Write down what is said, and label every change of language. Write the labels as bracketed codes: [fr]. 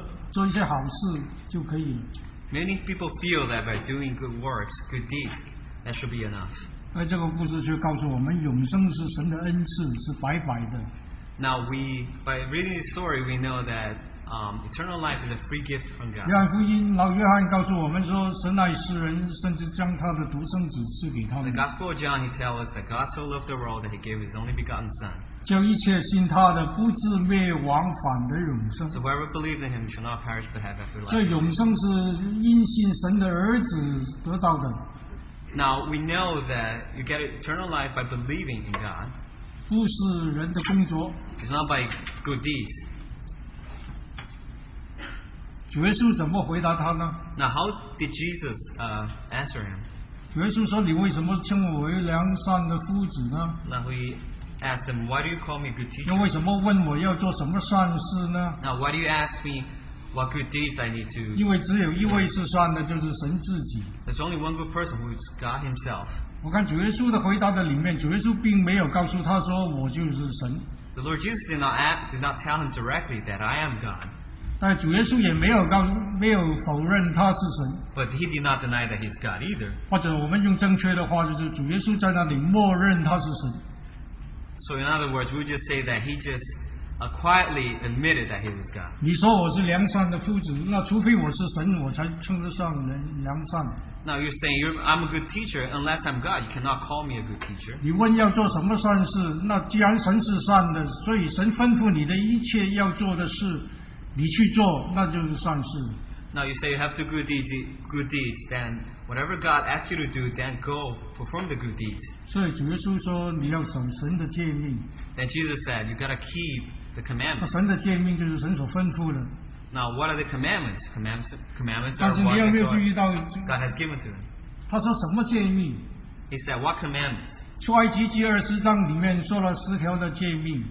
[zh] 一般人都以为凭着自己的工作或者功德做一些好事就可以了。 [en] Many people feel that by doing good works, good deeds, that should be enough. [zh] 而这个故事却告诉我们，永生是神的恩赐，是白白的。 [en] Now by reading this story, we know that eternal life is a free gift from God. [zh] 约翰福音，老约翰告诉我们说，神爱世人，甚至将他的独生子赐给他们。 [en] The Gospel of John, he tells us that God so loved the world that he gave his only begotten Son. [zh] 叫一切信他的不至灭亡，反得永生。 [en] So whoever believes in him shall not perish but have eternal life. [zh] 这永生是因信神的儿子得到的。 [en] Now we know that you get eternal life by believing in God. [zh] 不是人的工作。 [en] It's not by good deeds. [zh] 主耶稣怎么回答他呢？ [en] Now how did Jesus answer him? [zh] 主耶稣说：“你为什么称我为良善的夫子呢？” [en] Now he asked him, why do you call me good teacher? [zh] 那为什么问我要做什么善事呢？ [en] Now why do you ask me what good deeds I need to do? [zh] 因为只有一位是善的，就是神自己。 [en] There's only one good person, who is God himself. [zh] 我看主耶稣的回答的里面，主耶稣并没有告诉他说我就是神。 [en] The Lord Jesus did not tell him directly that I am God. [zh] 但主耶稣也没有否认他是神。 [en] But he did not deny that he's God either. [zh] 或者我们用正确的话，就是主耶稣在那里默认他是神。 [en] So in other words, we just say that he just quietly admitted that he was God. [zh] 你说我是良善的夫子, 那除非我是神, 我才称得上良善。 [en] Now you're saying I'm a good teacher, unless I'm God, you cannot call me a good teacher. [zh] 你问要做什么善事, 那既然神是善的, 所以神吩咐你的一切要做的事, 你去做, 那就是善事。 [en] Now you say you have to do good deeds, then whatever God asks you to do, then go perform the good deeds. [zh] 所以主耶稣说你要守神的诫命。 [en] Then Jesus said, you've got to keep the commandments. [zh] 神的诫命就是神所吩咐的。 [en] Now what are the commandments? Commandments are what God has given to them. [zh] 他说什么诫命? [en] He said, what commandments? [zh] 出埃及记20章里面说了10条的诫命。